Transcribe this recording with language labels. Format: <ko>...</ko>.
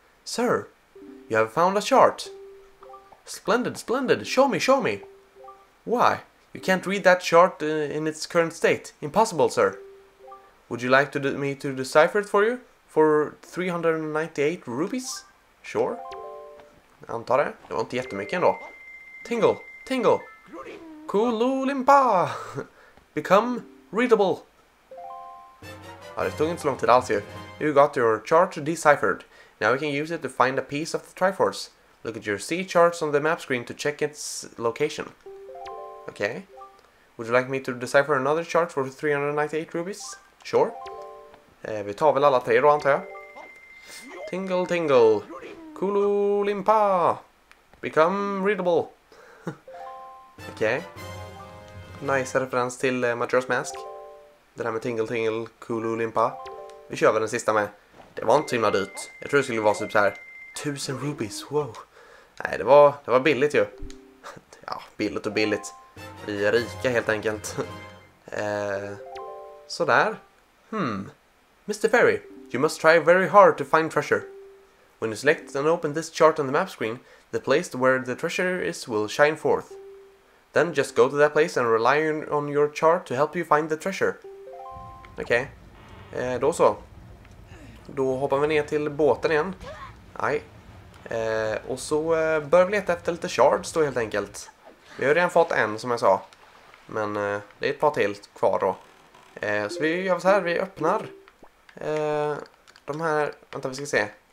<en>Sir, you have found a chart. Splendid, splendid. Show me. Why? You can't read that chart in its current state. Impossible, sir. Would you like me to decipher it for you? For 398 rupees? Sure.</en> <sv>Antar det. Det var inte jättemycket ändå. Tingle. Kululimpa.</sv> <en>Become readable.</en> <sv>Ja, det tog inte så lång tid alls ju.</sv> <en>You got your chart deciphered. Now we can use it to find a piece of the Triforce. Look at your sea charts on the map screen to check its location. Okay. Would you like me to decipher another chart for 398 rubies? Sure.</en> <sv>Vi tar väl alla 3 då antar jag.</sv> <en>Tingle. Kulu limpa. Become readable. Okej. Okay.</en> <sv>Nice referens till Majora's Mask. Det där med tingle, kulu limpa. Vi kör väl den sista med. Det var inte himla dyrt. Jag tror det skulle vara typ så här 1000 rubies. Wow. Nej, det var billigt ju. Ja, billigt och billigt. Vi är rika helt enkelt. så där. Mr.</sv> <en>Ferry, you must try very hard to find treasure. When you select and open this chart on the map screen, the place where the treasure is will shine forth. Then just go to that place and rely on your chart to help you find the treasure.</en> <sv>Okej. Okay. Då så. Då hoppar vi ner till båten igen. Aj. Och så bör vi leta efter lite shards då helt enkelt. Vi har redan fått en som jag sa. Men det är ett par till kvar då. Så vi gör så här, vi öppnar. De här, vänta vi ska se.</sv>